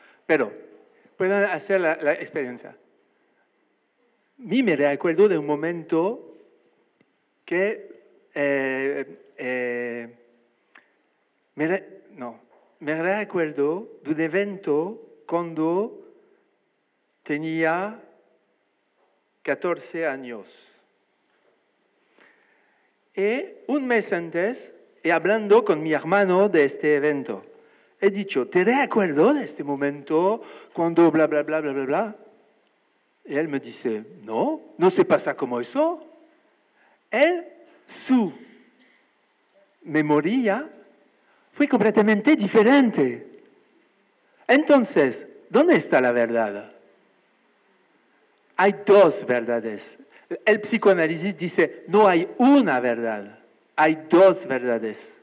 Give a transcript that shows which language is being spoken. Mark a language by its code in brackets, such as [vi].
[es] Pero pueden hacer la experiencia. Mí me recuerdo de un momento que me recuerdo de un evento cuando tenía 14 años. Y un mes antes, y hablando con mi hermano de este evento, he dicho, ¿te recuerdo de este momento cuando bla, bla, bla, bla, bla, bla? [fr] Et elle me disait, non, non, c'est pas ça [es] como eso. Él, su memoria, fue completamente diferente. Entonces, ¿dónde está la verdad? Hay dos verdades. El psicoanálisis dice, no hay una verdad, hay dos verdades.